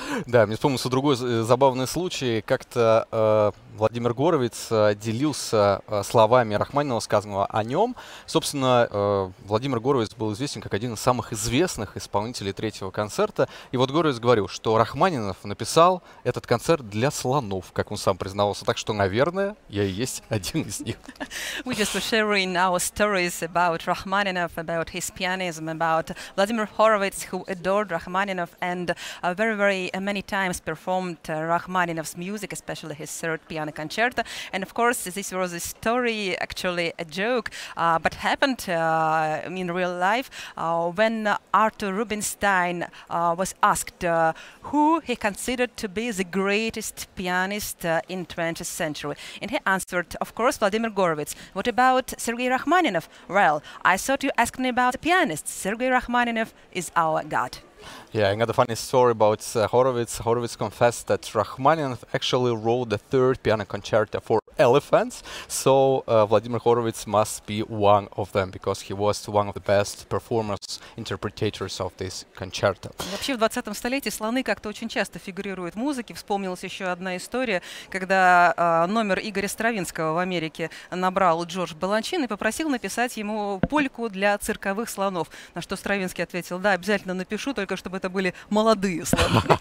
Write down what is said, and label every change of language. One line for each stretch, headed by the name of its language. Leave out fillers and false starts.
Russian: Да, мне вспомнился другой забавный случай. Как-то Владимир Горовиц делился словами Рахманинова, сказанного о нем. Собственно, Владимир Горовиц был известен как один из самых известных исполнителей третьего концерта. И вот Горовиц говорил, что Рахманинов написал этот концерт для слонов, как он сам признавался. Так что, наверное, я и есть один из них. Мы сейчас
English: hearing our stories about Rachmaninoff, about his pianism, about Vladimir Horowitz, who adored Rachmaninoff and very, very many times performed Rachmaninoff's music, especially his third piano concerto. And of course, this was a story, actually a joke, but happened in real life when Arthur Rubinstein was asked who he considered to be the greatest pianist in 20th century. And he answered, of course, Vladimir Horowitz. What about Sergei Rachmaninoff? Well, I thought you asked me about the pianist. Sergei Rachmaninoff is our god. Yeah, I got a funny story about Horowitz. Horowitz confessed that Rachmaninoff actually wrote the third piano concerto for elephants. So Vladimir Horowitz must be one of them, because he was one of the best performers, interpreters of this concerto.
Russian: Вообще в 20-м столетии слоны как-то очень часто фигурируют в музыке. Вспомнилась еще одна история, когда номер Игоря Стравинского в Америке набрал Джордж Баланчин и попросил написать ему польку для цирковых слонов. На что Стравинский ответил: да, обязательно напишу, только чтобы это были молодые слоны.